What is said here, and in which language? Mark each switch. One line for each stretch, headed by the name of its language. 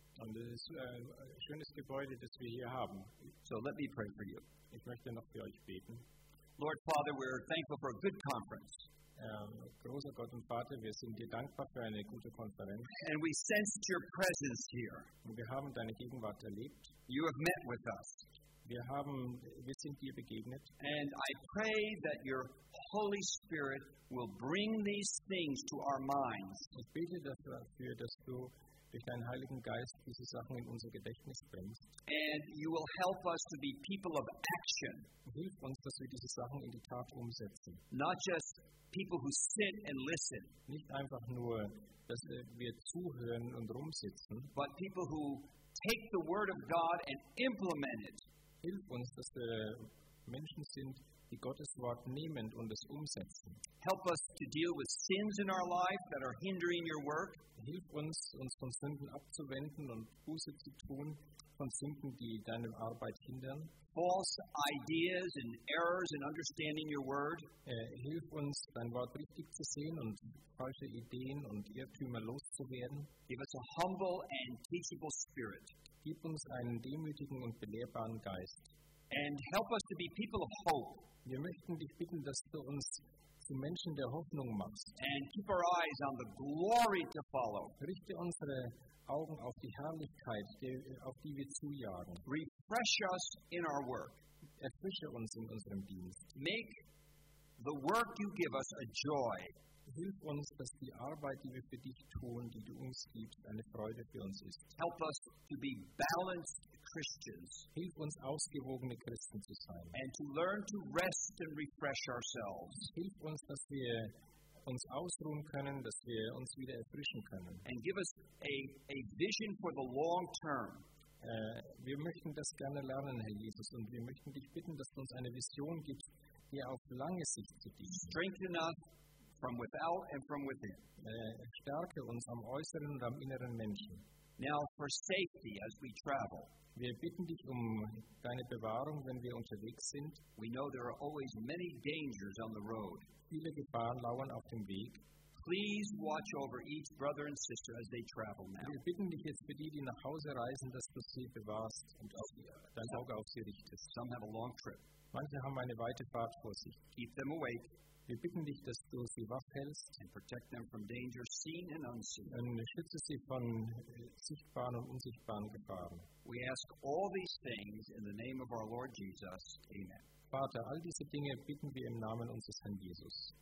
German: Und es ist ein schönes Gebäude, das wir hier haben.
English: So let me pray for you.
German: Ich möchte noch für euch beten.
English: Lord Father, we are thankful for a good conference.
German: Großer Gott und Vater, wir sind dir dankbar für eine gute Konferenz.
English: And we sensed your presence here.
German: Und wir haben deine Gegenwart erlebt.
English: You have met with us.
German: Wir sind dir begegnet.
English: And I pray that your Holy Spirit will bring these things to our minds.
German: Ich bete dafür, dass du durch deinen Heiligen Geist diese Sachen in unser Gedächtnis bringst.
English: And you will help us to be people of action.
German: Hilf uns, dass wir diese Sachen in die Tat umsetzen.
English: Not just people who sit and listen.
German: Nicht einfach nur, dass wir zuhören und rumsitzen.
English: But people who take the word of God and implement it.
German: Hilf uns, dass Menschen sind, die Gottes Wort nehmen und es umsetzen.
English: Help us to deal with sins in our life that are hindering your work.
German: Hilf uns, uns von Sünden abzuwenden und Buße zu tun von Sünden, die deine Arbeit hindern.
English: False ideas and errors in understanding your word.
German: Hilf uns, dein Wort richtig zu sehen und falsche Ideen und Irrtümer loszuwerden.
English: Give us a humble and teachable spirit.
German: Gib uns einen demütigen und belehrbaren Geist.
English: And help us to be people of hope.
German: Wir möchten dich bitten, dass du uns zu Menschen der Hoffnung machst.
English: And keep our eyes on the glory to follow.
German: Richte unsere Augen auf die Herrlichkeit, auf die wir zujagen.
English: Refresh us in our work.
German: Erfrische uns in unserem Dienst.
English: Make the work you give us a joy.
German: Hilf uns, dass die Arbeit, die wir für dich tun, die du uns gibst, eine Freude für uns ist.
English: Help us to be balanced Christians.
German: Hilf uns, ausgewogene Christen zu sein.
English: And to learn to rest and refresh ourselves.
German: Hilf uns, dass wir uns ausruhen können, dass wir uns wieder erfrischen können.
English: And give us a vision for the long term.
German: Wir möchten das gerne lernen, Herr Jesus, und wir möchten dich bitten, dass du uns eine Vision gibst, die auf lange Sicht zu dienen.
English: Strengthen us from without and from within.
German: Stärke uns am äußeren und am inneren Menschen.
English: Now for safety as we travel.
German: Wir bitten dich um deine Bewahrung, wenn wir unterwegs sind.
English: We know there are always many dangers on the road.
German: Viele Gefahren lauern auf dem Weg.
English: Please watch over each brother and sister as they travel now.
German: Wir bitten dich jetzt für die, die nach Hause reisen, dass du sie bewahrst und dein Auge auf sie richtest.
English: Some have a long trip.
German: Manche haben eine weite Fahrt vor sich.
English: Keep them awake.
German: Wir bitten dich, dass du sie wach hältst.
English: And protect them from danger seen and unseen.
German: Und schütze sie von sichtbaren und unsichtbaren Gefahren.
English: We ask all these things in the name of our Lord Jesus. Amen.
German: Vater, all diese Dinge bitten wir im Namen unseres Herrn Jesus.